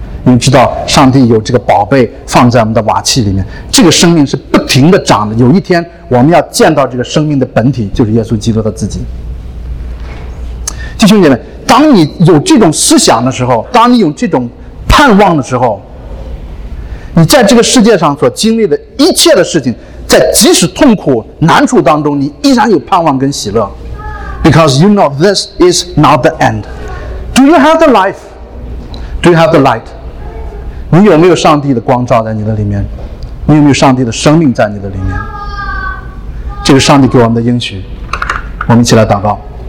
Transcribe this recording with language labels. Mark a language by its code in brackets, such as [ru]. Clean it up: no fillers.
[zh] 你们知道上帝有这个宝贝放在我们的瓦器里面，这个生命是不停地长的，有一天我们要见到这个生命的本体，就是耶稣基督的自己。弟兄姐妹，当你有这种思想的时候，当你有这种盼望的时候，你在这个世界上所经历的一切的事情，在即使痛苦难处当中，你依然有盼望跟喜乐。 [en] Because you know this is not the end. Do you have the life? Do you have the light? [zh] 你有没有上帝的光照在你的里面？你有没有上帝的生命在你的里面？这是上帝给我们的应许。我们一起来祷告。